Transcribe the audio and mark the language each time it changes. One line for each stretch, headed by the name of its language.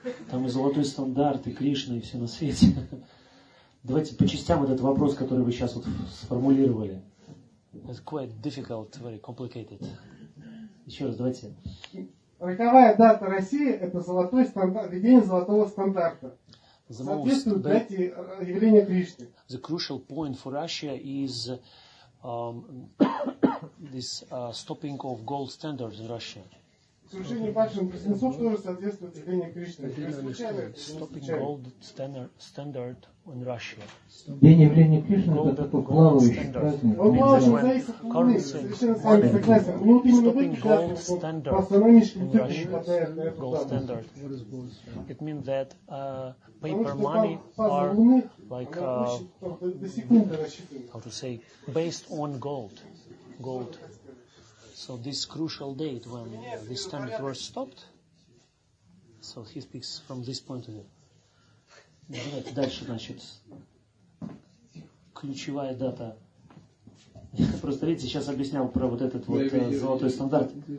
Russian: Там и золотой стандарт, и Кришна, и все на свете. Давайте по частям этот вопрос, который вы сейчас вот сформулировали.
English: It's quite difficult, very complicated.
Russian: Еще раз, давайте. Роковая дата России – это золотой стандарт, введение золотого стандарта. Соответствует дате явления Кришны.
English: The crucial point for Russia is this stopping of gold standards in Russia.
Russian: Совершение башен близнецов тоже соответствует явлению Кришны.
English: Stopping gold standard in Russia.
Russian: День явления Кришны это такой плавающий праздник. Он плавающий, зависит от Луны. Ну вот именно вы, когда по астрономическим цифрам не попадает на эту дату.
English: It means that paper money are like how to say, based on gold. Gold. So this crucial date when this standard was stopped. So he speaks from this point of view.
Russian: Давайте дальше, значит, ключевая дата. Просто видите, сейчас объяснял про вот этот вот золотой стандарт.